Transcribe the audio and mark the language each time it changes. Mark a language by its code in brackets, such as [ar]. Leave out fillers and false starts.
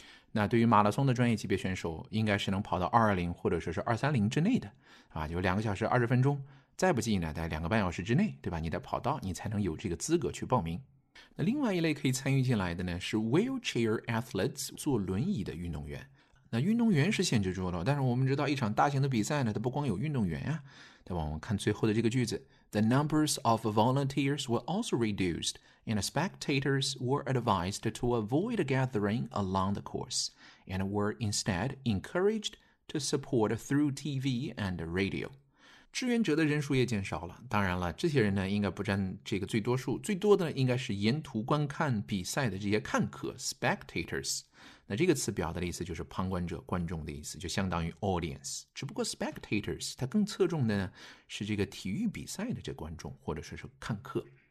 [zh] 那对于马拉松的专业级别选手，应该是能跑到220或者说是230之内的，啊，就两个小时二十分钟，再不济呢，在两个半小时之内，对吧？你得跑到，你才能有这个资格去报名。那另外一类可以参与进来的呢，是 [en] wheelchair athletes， [zh] 坐轮椅的运动员。那运动员是限制住了，但是我们知道一场大型的比赛呢，它不光有运动员啊，对吧？我们看最后的这个句子。 [en] The numbers of volunteers were also reduced, and spectators were advised to avoid gathering along the course, and were instead encouraged to support through TV and radio. [zh] 志愿者的人数也减少了，当然了，这些人呢应该不占这个最多数，最多的应该是沿途观看比赛的这些看客 spectators。那这个词表达的意思就是旁观者观众的意思就相当于 audience 只不过 spectators 它更侧重的是这个体育比赛的这观众或者说是看客